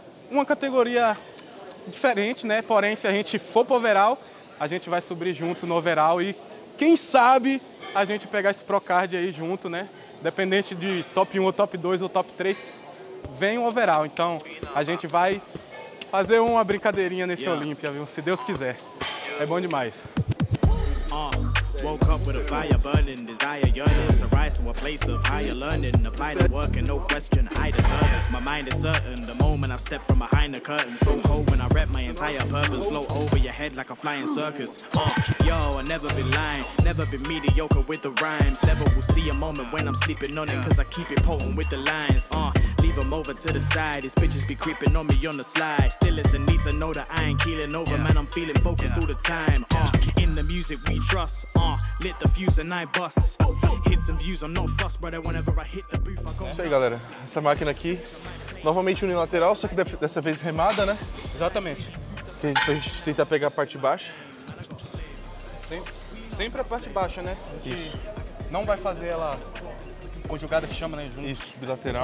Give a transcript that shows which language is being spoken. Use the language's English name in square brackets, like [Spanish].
[Portuguese] Uma categoria diferente, né? Porém, se a gente for pro overall, a gente vai subir junto no overall e... quem sabe a gente pegar esse Procard aí junto, né? Dependente de top 1 ou top 2 ou top 3, vem o overall. Então, a gente vai fazer uma brincadeirinha nesse Olímpia, viu? Se Deus quiser. É bom demais. [English] Woke up with a fire burning, desire yearning to rise to a place of higher learning. Apply the work and no question, I deserve it. My mind is certain, the moment I step from behind the curtain. So cold when I rep my entire purpose, float over your head like a flying circus. Yo, I never been lying, never been mediocre with the rhymes. Never will see a moment when I'm sleeping on it, cause I keep it potent with the lines. Leave them over to the side, these bitches be creeping on me on the slide. Still it's a need to know that I ain't keeling over, man, I'm feeling focused all the time. In the music we trust. Lit the fuse and I bust. Hits and views, I'm not fuss, brother. Whenever I hit the booth, I go. [Portuguese] Isso aí, galera. Essa máquina aqui, novamente unilateral, só que dessa vez remada, né? Exatamente. Que a gente tenta pegar a parte baixa. Sempre a parte baixa, né? A gente isso. Não vai fazer ela conjugada, que chama, né? Junto. Isso, bilateral.